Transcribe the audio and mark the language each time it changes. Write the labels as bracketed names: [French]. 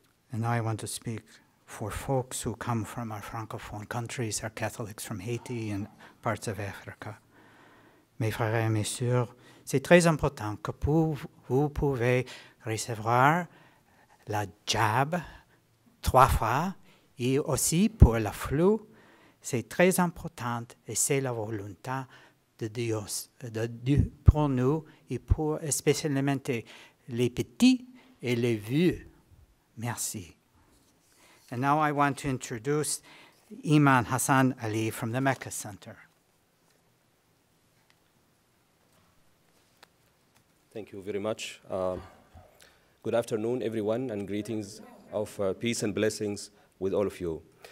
[English] And now I want to speak for folks who come from our Francophone countries, our Catholics from Haiti and parts of Africa. [French] Mes frères et messieurs, c'est très important que vous pouvez recevoir la jab trois fois et aussi pour la flu. C'est très important et c'est la volonté de Dieu pour nous et pour spécialement les petits et les vieux. Merci. [English] And now I want to introduce Iman Hassan Ali from the Mecca Center. Thank you very much. Good afternoon, everyone, and greetings of peace and blessings with all of you.